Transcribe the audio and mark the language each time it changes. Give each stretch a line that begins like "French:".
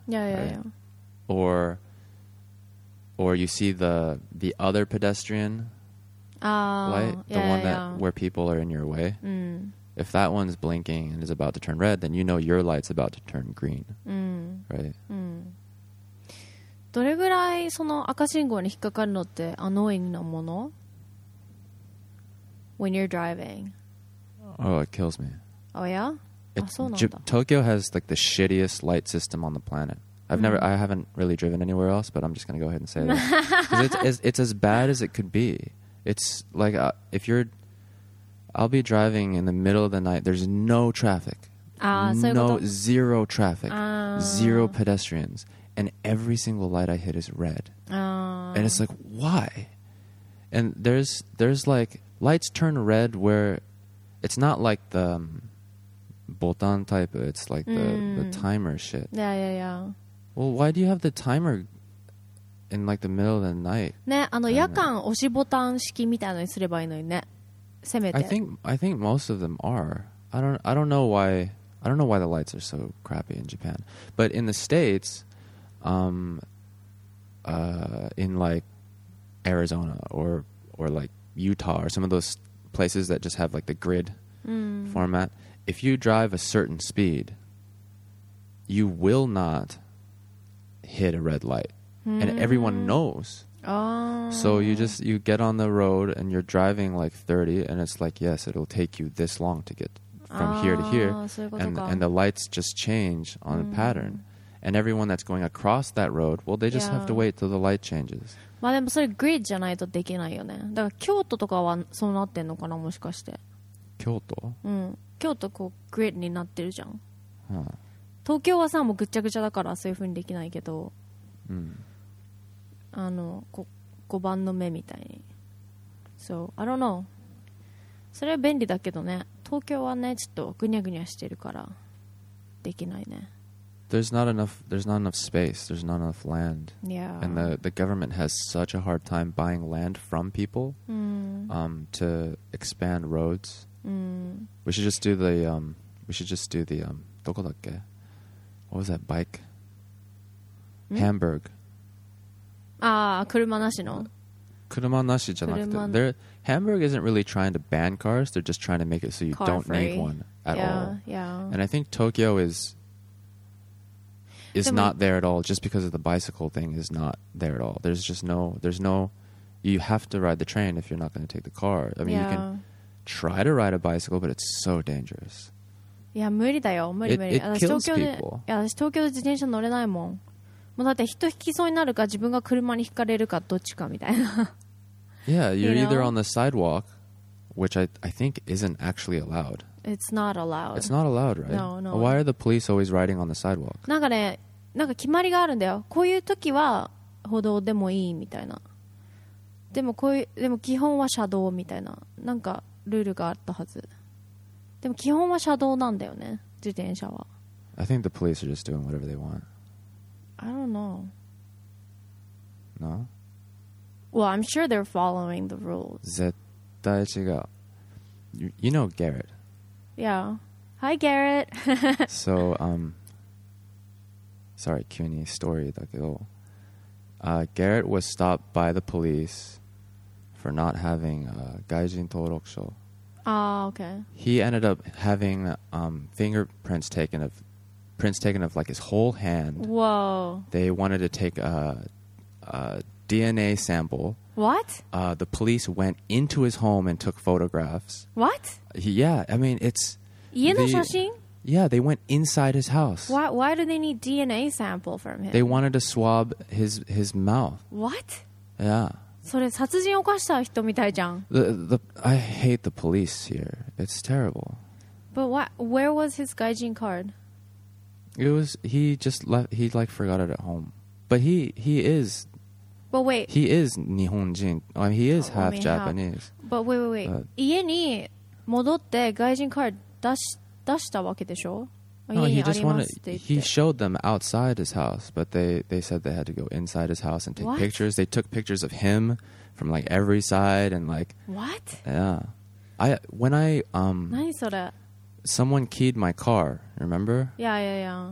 English: Yeah. Or you see the other pedestrian light, the one that where people are in your way. If that one's blinking and is about to turn red, then you know your light's about to turn green. Right?
Japanese: どれぐらいその赤信号に引っかかるのってアノイングなもの?
English: When you're driving. Oh, it kills me. Oh, yeah? Tokyo has like the shittiest light system on the planet. I haven't really driven anywhere else, but I'm just going to go ahead and say that. it's as bad as it could be. It's like, I'll be driving in the middle of the night. There's no traffic. Zero traffic. Zero pedestrians. And every single light I hit is red. And it's like, why? And there's like, lights turn red where it's not like the botan type. It's like the timer shit. Yeah. Well, why do you have the timer in like the middle of the night?
Japanese: ね、あの夜間押しボタン式みたいなのにすればいいのにね。せめて。
English: I think most of them are. I don't know why the lights are so crappy in Japan. But in the States, in like Arizona or like Utah or some of those places that just have like the grid format, if you drive a certain speed, you will not. Hit a red light and everyone knows so you get on the road and you're driving like 30 and it's like yes it'll take you this long to get from here to here and the lights just change on a pattern and everyone that's going across that road well they just have to wait till the light changes
Japanese: まあでもそれグリッドじゃないとできないよねだから京都とかはそうなってんのかなもしかして京都京都こうグリッドになってるじゃん、huh. 東京はさもうぐっちゃぐちゃだからそういう風にできないけど、あの5番の目みたいに、そう、
English: I don't know、
Japanese: それは便利だけどね、東京はねちょっとぐにゃぐにゃしてるからできないね。
English: There's not enough space. There's not enough land. Yeah. And the government has such a hard time buying land from people, to expand roads. We should just do the
Japanese: どこだっけ。
English: What was that bike? Hamburg.
Japanese: Ah, 車なしの車なしじゃなくて
English: Hamburg isn't really trying to ban cars. They're just trying to make it so you don't need one at all. And I think Tokyo is not there at all just because of the bicycle thing is not there at all. There's no, you have to ride the train if you're not going to take the car. I mean, you can try to ride a bicycle, but it's so dangerous.
Japanese: いや無理だよ無理 私東京で自転車乗れないもんもうだって人引きそうになるか自分が車に引かれるかどっちかみたいな
English: Yeah, you're either on the sidewalk, which I think isn't actually allowed. It's not allowed. It's not allowed, right? No. Why are the police always riding on the sidewalk?
Japanese: なんかね、なんか決まりがあるんだよ。こういう時は歩道でもいいみたいな。でもこういう、でも基本は車道みたいな。なんかルールがあったはず。でも基本は車道なんだよね、自転車は。
English: I think the police are just doing whatever they want. I don't know. No? Well, I'm sure they're following the rules.
Japanese: 絶対違う。
English: You know Garrett. Yeah. Hi, Garrett. So, sorry,
Japanese: 急にストーリーだけど。
English: Garrett was stopped by the police for not having a 外人登録証。 Ah, okay. He ended up having fingerprints taken of like his whole hand. Whoa. They wanted to take a DNA sample. What? The police went into his home and took photographs. What? Yeah, I mean, it's...
Japanese: 家の写真?
English: Yeah, they went inside his house. Why do they need DNA sample from him? They wanted to swab his mouth. What? Yeah.
Japanese: それ殺人を犯した人みたいじゃん。
English: I hate the police here. It's terrible. But where was his 外人 card? It was... He just left... He, like, forgot it at home. But he is... But wait. He is 日本人.I mean, he is half Japanese. But wait.
Japanese: 家に戻って外人カード出したわけでしょ?
English: No, he just wanted... He showed them outside his house, but they said they had to go inside his house and take pictures. They took pictures of him from, like, every side and, like... What? Yeah. When I...
Japanese: 何それ?
English: Someone keyed my car, remember? Yeah.